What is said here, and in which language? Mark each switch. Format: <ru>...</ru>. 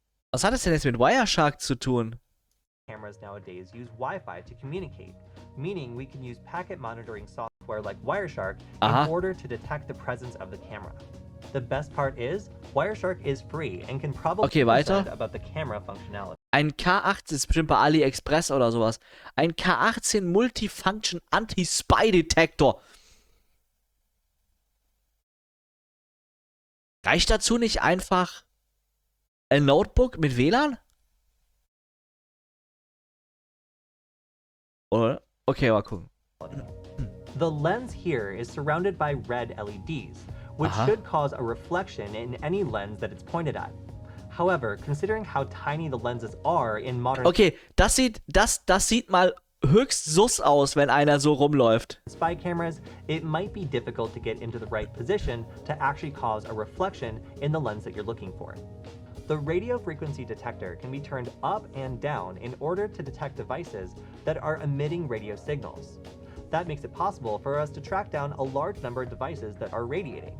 <de>Was hat das denn jetzt mit Wireshark zu tun?</de> <en>Cameras nowadays use Wi-Fi to communicate, meaning we can use packet monitoring software like Wireshark in order to detect the presence of the camera. The best part is Wireshark is free and can probably okay, weiter. About the camera functionality.</en> <de>Ein K18 ist bestimmt bei AliExpress oder sowas. Ein K18 Multifunction Anti-Spy Detektor. Reicht dazu nicht einfach ein Notebook mit WLAN? Oder? Okay, mal gucken.</de> <en>The lens here is surrounded by red LEDs, which Aha. should cause a reflection in any lens that it's pointed at. However, considering how tiny the lenses are in modern...</en> <de>Okay, das sieht mal höchst sus aus, wenn einer so rumläuft.</de> <en>Spy cameras, it might be difficult to get into the right position to actually cause a reflection in the lens that you're looking for. The radio frequency detector can be turned up and down in order to detect devices that are emitting radio signals. That makes it possible for us to track down a large number of devices that are radiating.</en>